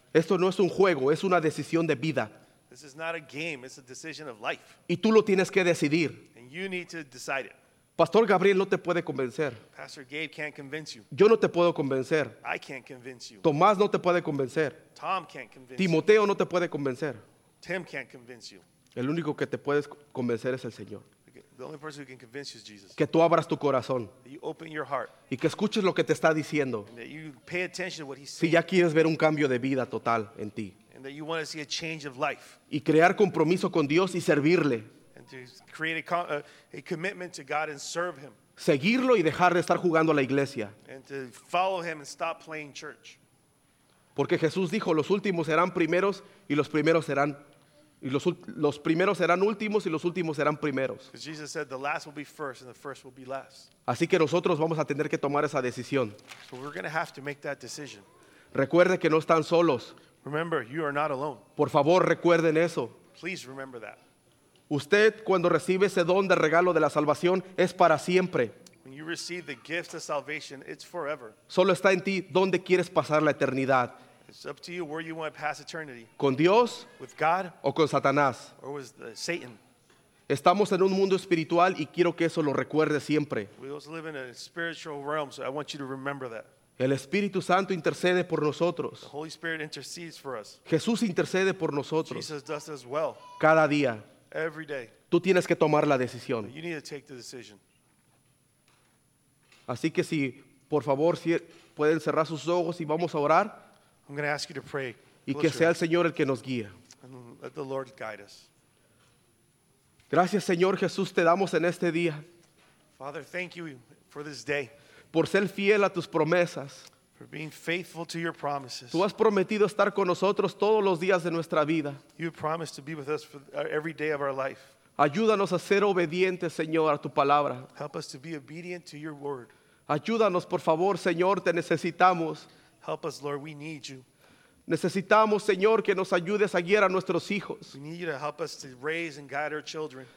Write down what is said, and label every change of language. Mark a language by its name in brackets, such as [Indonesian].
[Spanish] Esto no es un juego, es una decisión de vida. [English] This is not a game, it's a decision of life. [Spanish] Y tú lo tienes que decidir. [English] And you need to decide it. [Spanish] Pastor Gabriel no te puede convencer. [English] Pastor Gabe can't convince you. [Spanish] Yo no te puedo convencer. [English] I can't convince you. [Spanish] Tomás no te puede convencer. [English] Tom can't convince [Spanish] Timoteo [English] you. [Spanish] No te puede convencer. [English] Tim can't convince you. [Spanish] El único que te puedes convencer es el Señor. [English] The only person who can convince you is Jesus. [Spanish] Que tú abras tu corazón. [English] That you open your heart. [Spanish] Y que escuches lo que te está diciendo. [English] And that you pay attention to what he's saying. [Spanish] Si ya quieres ver un cambio de vida total en ti. [English] And that you want to see a change of life. [Spanish] Y crear compromiso con Dios y servirle. [English] And to create a commitment to God and serve him. [Spanish] Seguirlo y dejar de estar jugando a la iglesia. [English] And to follow him and stop playing church. [Spanish] Porque Jesús dijo, los últimos serán primeros y los primeros serán los primeros serán últimos y los últimos serán primeros. [English] Because Jesus said the last will be first and the first will be last. [Spanish] Así que nosotros vamos a tener que tomar esa decisión. [English] So we're going to have to make that decision. [Spanish] Recuerde que no están solos. [English] Remember, you are not alone. [Spanish] Por favor, recuerden eso. [English] Please remember that. [Spanish] Usted cuando recibe ese don de regalo de la salvación es para siempre. [English] When you receive the gift of salvation, it's forever. [Spanish] Solo está en ti dónde quieres pasar la eternidad. [English] It's up to you where you want to pass eternity. [Spanish] ¿Con Dios? [English] With God? [Spanish] ¿O con Satanás? [English] Or with Satan? [Spanish] Estamos en un mundo espiritual y quiero que eso lo recuerde siempre. [English] We also live in a spiritual realm, so I want you to remember that. [Spanish] El Espíritu Santo intercede por nosotros. [English] The Holy Spirit intercedes for us. [Spanish] Jesús intercede por nosotros. [English] Jesus does as well. [Spanish] Cada día. [English] Every day. [Spanish] Tú tienes que tomar la decisión. [English] You need to take the decision. [Spanish] Así que si, por favor, si pueden cerrar sus ojos y vamos a orar. [English] I'm going to ask you to pray. [Spanish] Y que sea el Señor el que nos guíe. [English] And let the Lord guide us. [Spanish] Gracias, Señor Jesús, te damos en este día. [English] Father, thank you for this day. [Spanish] Por ser fiel a tus promesas. [English] For being faithful to your promises. [Spanish] Tú has prometido estar con nosotros todos los días de nuestra vida. [English] You promised to be with us for every day of our life. [Spanish] Ayúdanos a ser obedientes, Señor, a tu palabra. [English] Help us to be obedient to your word. [Spanish] Ayúdanos, por favor, Señor, te necesitamos. [English] Help us, Lord, we need you. [Spanish] Necesitamos, Señor, que nos ayudes a guiar a nuestros hijos. [English] We need you to help us to raise and guide our children.